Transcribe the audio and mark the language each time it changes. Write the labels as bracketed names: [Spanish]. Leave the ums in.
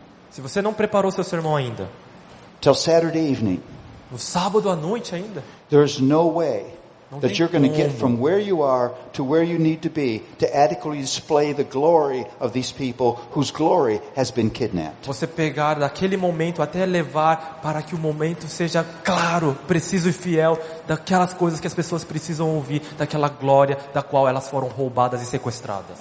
[Portuguese] Se você não preparou seu sermão ainda, [English] till Saturday evening, [Portuguese] no sábado à noite ainda, [English] there's no way no that you're going to get from where you are to where you need to be to adequately display the glory of these people whose glory has been kidnapped. [Portuguese] Você pegar daquele momento até levar para que o momento seja claro, preciso e fiel daquelas coisas que as pessoas precisam ouvir, daquela glória da qual elas foram roubadas e sequestradas.